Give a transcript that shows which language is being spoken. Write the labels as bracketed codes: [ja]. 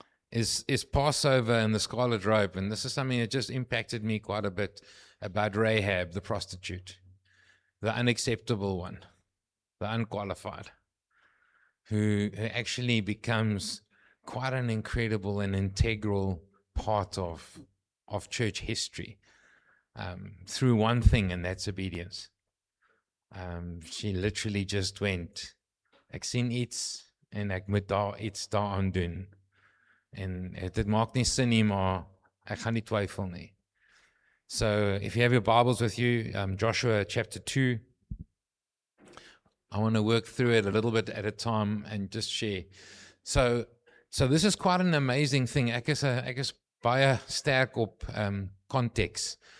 [en] Is Passover and the Scarlet Robe, and this is something that just impacted me quite a bit about Rahab, the prostitute, the unacceptable one, the unqualified, who actually becomes quite an incredible and integral part of church history through one thing, and that's obedience. She literally just went, [af] ek sien iets en ek moet daar iets daaraan doen. En dit maak nie sin nie, maar ek gaan nie twyfel nie. [en] So if you have your Bibles with you, Joshua chapter 2, I want to work through it a little bit at a time and just share. So this is quite an amazing thing. [af] Ek is baie sterk op context.